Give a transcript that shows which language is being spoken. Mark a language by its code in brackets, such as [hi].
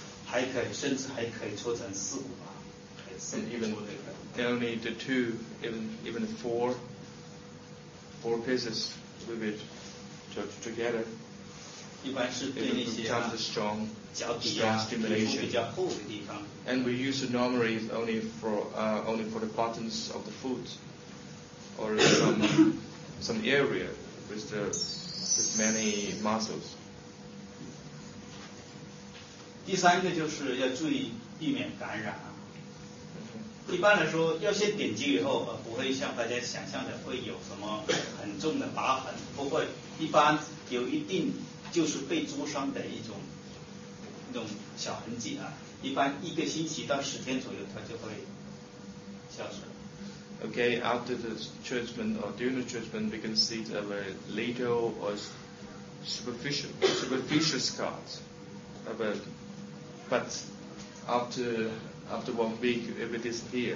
[zh] 还可以甚至还可以抽成四股吧。 [en] And even they only did the two, even four pieces with it together. [zh] 一般是对那些脚底啊，皮肤比较厚的地方。 [en] And we use it normally only for the buttons of the foot, or some area with many muscles. [zh] 第三个就是要注意避免感染。一般来说，要先点灸以后，不会像大家想象的会有什么很重的疤痕，不会。一般有一定就是被灼伤的一种小痕迹啊，一般一个星期到十天左右，它就会消失。 [en] Okay, after the treatment or during the treatment, we can see the little or superficial scars, but after 1 week, it will disappear.